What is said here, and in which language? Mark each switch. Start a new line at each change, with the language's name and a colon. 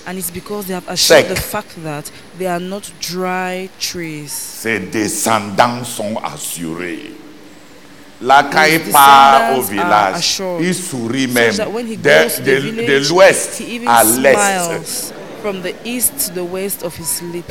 English: And it's because they have assured the fact that they are not dry trees.
French: Ses descendants sont assurés. Là, quand il part au village, il sourit même de l'ouest à l'est.
English: From the east to the west of his lips.